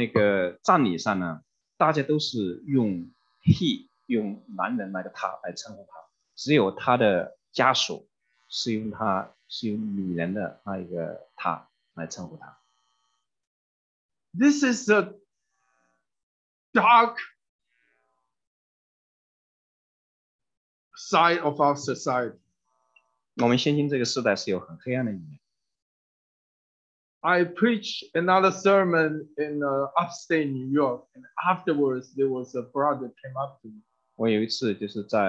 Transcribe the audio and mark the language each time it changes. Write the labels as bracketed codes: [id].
[zh] 因为在现今这个时代，照着政治正确的这个立场的话，是应该把他，不能说女人的那个系那个，应该把他照着男人来称呼。所以在那个葬礼上呢，大家都是用 he 用男人那个他来称呼他，只有他的家属是用女人的那一个他来称呼他。 [en] This is a dark side of our society. [zh] 我们现今这个时代是有很黑暗的一面。 [en] I preached another sermon in upstate New York, and afterwards there was a brother came up to me.